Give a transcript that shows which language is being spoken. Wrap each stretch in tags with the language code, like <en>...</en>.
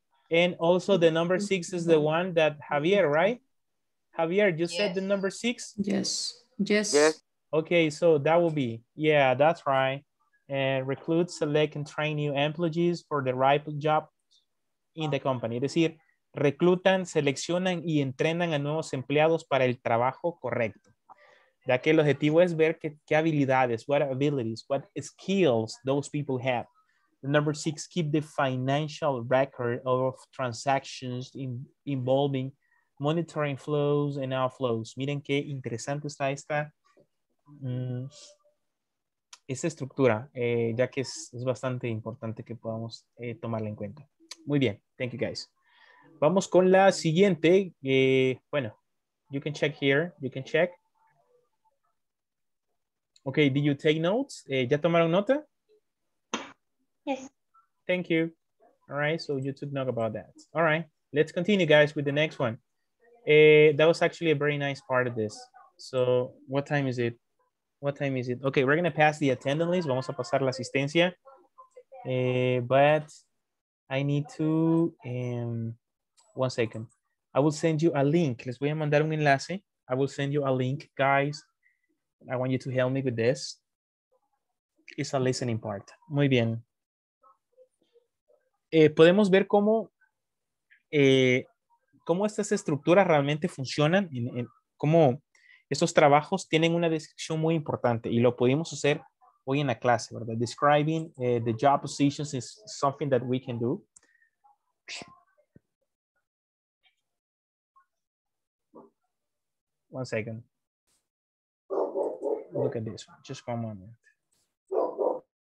<en>And also the number six is the one that Javier, right? Javier, you yes. said the number six? Yes. Yes. Okay, so that will be, yeah, that's right. And recruit, select, and train new employees for the right job in the company.</en> <es>Es decir, reclutan, seleccionan y entrenan a nuevos empleados para el trabajo correcto. Ya que el objetivo es ver qué habilidades,</es> <en>what abilities, what skills those people have. Number six, keep the financial record of transactions involving monitoring flows and outflows.</en> <es>Miren qué interesante está esta estructura, ya que es bastante importante que podamos tomarla en cuenta. Muy bien,</es> <en>thank you guys.</en> <es>Vamos con la siguiente. Bueno,</es> <en>you can check here, you can check. Okay, did you take notes?</en> <es>¿Ya tomaron nota?</es> <en>Yes. Thank you. All right. So you took note about that. All right. Let's continue, guys, with the next one. That was actually a very nice part of this. So what time is it? What time is it? Okay. We're going to pass the attendance list.</en> <es>Vamos a pasar la asistencia.</es> <en>But I need to, 1 second. I will send you a link.</en> <es>Les voy a mandar un enlace.</es> <en>I will send you a link, guys. I want you to help me with this. It's a listening part.</en> <es>Muy bien. Podemos ver cómo estas estructuras realmente funcionan, cómo estos trabajos tienen una descripción muy importante y lo pudimos hacer hoy en la clase, ¿verdad?</es> <en>Describing the job positions is something that we can do. One second. Look at this one. Just one moment.</en>